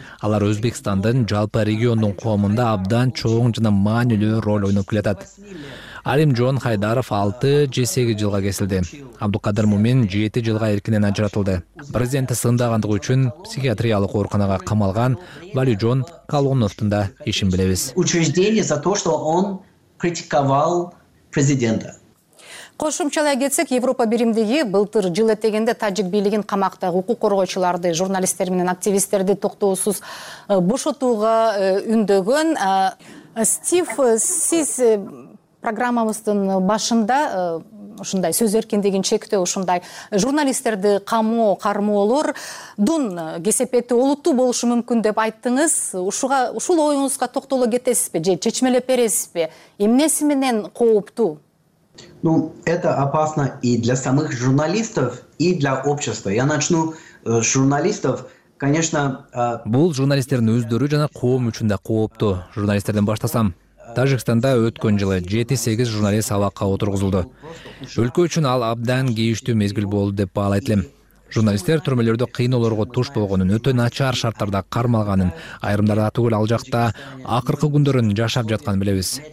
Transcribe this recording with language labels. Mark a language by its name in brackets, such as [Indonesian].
[Kyrgyz] Алар Өзбекстандын жалпы региондун коомунда абдан чоң жана маанилүү роль ойноп келатат. Алим Жон Хайдаров 6 же 8 жылга кесилди. Абдукадыр Мумин 7 жылга эркинен ажыратылды. Президентти сындагандыгы үчүн психиатриялык ооруканага камалган Вали Жон Калоновдун да ишин билебиз. [Russian] Учреждение за то, что он критиковал президента. [Kyrgyz] Кошумчалай кетсек, Европа биримдиги былтыр жыл этегенде тажик бийлигин камакта укук коргоочуларды, журналисттер менен активисттерди токтоосуз бошотууга үндөгөн. Стив, сиз программабыздын башында ушундай сөз эркиндигин чектөө, ушундай журналисттерди камоо, кармоолордун кесепети олуттуу болушу мүмкүн деп айттыңыз. Ушул оюңузга токтоло кетесизби же чечмелеп бересизби? Эмнеси менен кооптуу? [Russian] Ну, это опасно и для самых журналистов, и для общества. Я начну с журналистов. Конечно, [Kyrgyz] бул журналисттердин өздөрү жана коом үчүн да кооптуу. Журналисттерден баштасам, Тажикстанда өткөн жылы 7-8 журналист абакка отургузулду. Өлкө үчүн ал абдан кейиштүү мезгил болду деп баалайт элем. Журналисттер түрмөлөрдө кыйноолорго туш болгонун, өтө начар шарттарда кармалганын, айрымдары түгөл ал жакта акыркы күндөрүн жашап жатканын билебиз.